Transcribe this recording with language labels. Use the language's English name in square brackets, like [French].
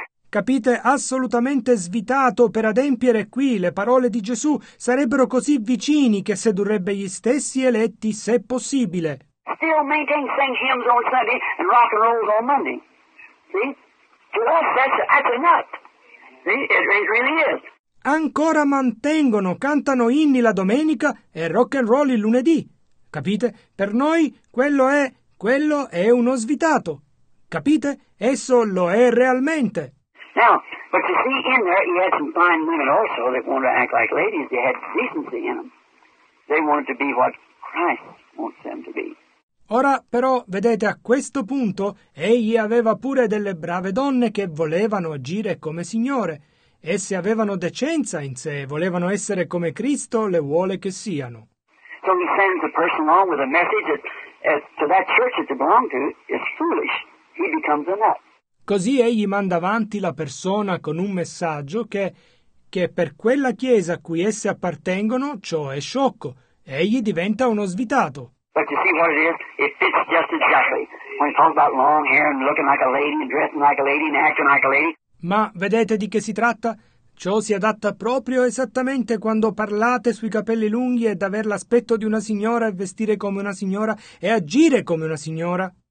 [Italian] Capite? Assolutamente svitato per adempiere qui le parole di Gesù. Sarebbero così vicini che sedurrebbe gli stessi eletti se possibile. [English] Still maintain sing hymns on Sunday and rock and roll on Monday. See? To us, that's a nut. See? It really is. [Italian] Ancora mantengono, cantano inni la domenica e rock and roll il lunedì. Capite? Per noi quello è uno svitato. Capite? Esso lo è realmente. [English] Now, but you see in there, you had some fine women also that wanted to act like ladies. They had decency in them. They wanted to be what Christ wants them to be. [Italian] Ora, però, vedete, a questo punto, egli aveva pure delle brave donne che volevano agire come Signore. Esse avevano decenza in sé, volevano essere come Cristo le vuole che siano. [English] So he sends a person along with a message that to that church that they belong to is foolish. He becomes a nut. [Italian] Così egli manda avanti la persona con un messaggio che per quella chiesa a cui esse appartengono ciò è sciocco. Egli diventa uno svitato. [English] But you see what it is? It fits just exactly. When it talks about long hair and looking like a lady and dressing like a lady and acting like a lady. [Italian] Ma vedete di che si tratta? Ciò si adatta proprio esattamente quando parlate sui capelli lunghi ed aver l'aspetto di una signora e vestire come una signora e agire come una signora.